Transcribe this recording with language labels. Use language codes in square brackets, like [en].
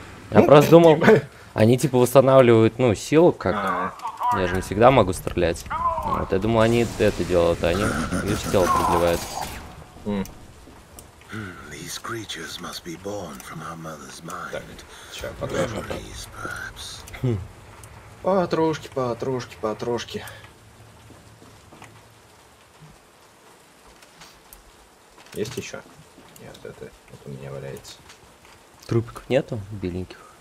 [ru] Я просто думал, они типа восстанавливают, ну, силу как. Я же не всегда могу стрелять. Вот я думал, они это делают, а они лишь тело продлевают. [en] These creatures must be born from our mother's mind. Memories, perhaps. [ru] Потрошки, потрошки, потрошки. Есть еще? Нет, это у меня валяется. Трупиков нету беленьких?